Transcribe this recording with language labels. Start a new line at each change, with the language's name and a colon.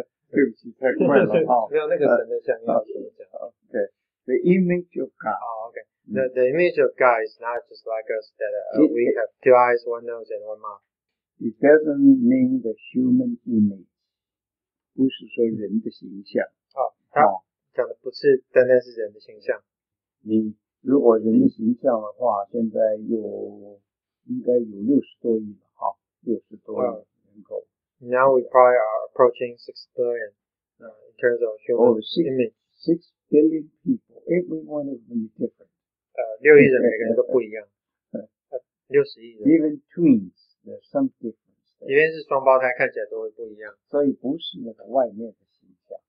Chinese: 对不起太快了。没有那个神的像要怎么讲。
English: The image of God. The image of God is not just like us, that we have two eyes, one nose, and one mouth. It doesn't mean the human image.
Chinese: 不是说人的形象，讲的不是单单是人的形象。你如果人的形象的话，现在有应该有60多亿吧，60多亿人口。
English: Now we probably are approaching 6 billion in terms of human image. 6 billion people, every one of them is different.
Chinese: 6亿人每个人都不一样，60亿人。
English: Even twins, there's some difference.
Chinese: 即便是双胞胎看起来都会不一样，所以不是那个外面的形象。